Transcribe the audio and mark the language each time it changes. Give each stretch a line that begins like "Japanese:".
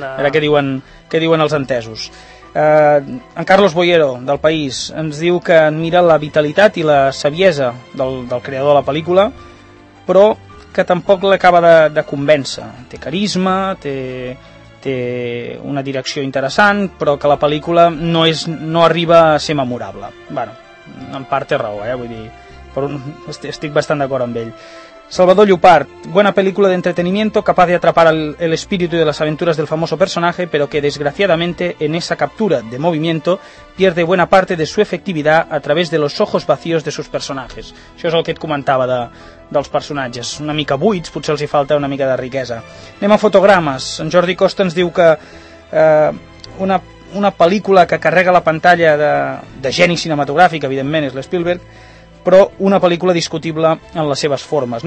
Catalan: Ara, què diuen els entesos? En Carlos Boyero, del País, ens diu que admira la vitalitat i la saviesa del creador de la pel·lícula, però que tampoc l'acaba de convèncer. Té carisma, té una direcció interessant, però que la pel·lícula no arriba a ser memorable. Bueno, en part té raó, vull dir, però estic bastant d'acord amb ell.
Spanish: Salvador Llopart, buena película de entretenimiento capaz de atrapar el espíritu de las aventuras del famoso personaje, pero que desgraciadamente en esa captura de movimiento pierde buena parte de su efectividad a través de los ojos vacíos de sus personajes.
Catalan: Això és el que et comentava dels personatges, una mica buits, potser els hi falta una mica de riquesa. Anem a fotogrames. En Jordi Costa ens diu que una pel·lícula que carrega la pantalla de geni cinematogràfic, evidentment, és l'Spielberg, però una pel·lícula discutible en les seves formes.